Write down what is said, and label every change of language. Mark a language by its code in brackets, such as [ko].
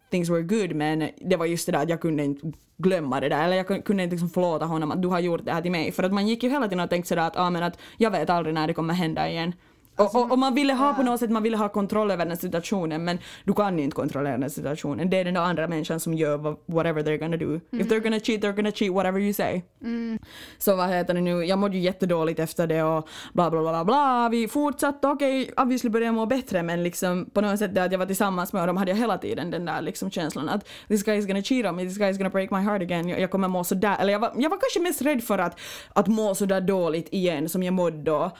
[en] things were good, [sv] men det var just det där att jag kunde inte glömma det där, eller jag kunde inte liksom förlåta honom att du har gjort det här till mig, för att man gick ju hela tiden och tänkte sådär att, ah, men att jag vet aldrig när det kommer hända igen. Och man ville ha på något sätt, man ville ha kontroll över den situationen, men du kan inte kontrollera den situationen. Det är den andra människan som gör [en] whatever they're gonna do. [sv] Mm. [en] If they're gonna cheat, they're gonna cheat, whatever you say. Mm. [sv] Så vad heter det nu? Jag mådde ju jättedåligt efter det och bla bla bla bla. Vi fortsatte, okej, obviously började jag må bättre, men liksom på något sätt det att jag var tillsammans med dem hade jag hela tiden den där liksom känslan att [en] this guy is gonna cheat on me, this guy is gonna break my heart again. [sv] Jag kommer må så där. Eller jag var kanske mest rädd för att må så där dåligt igen som jag mådde då.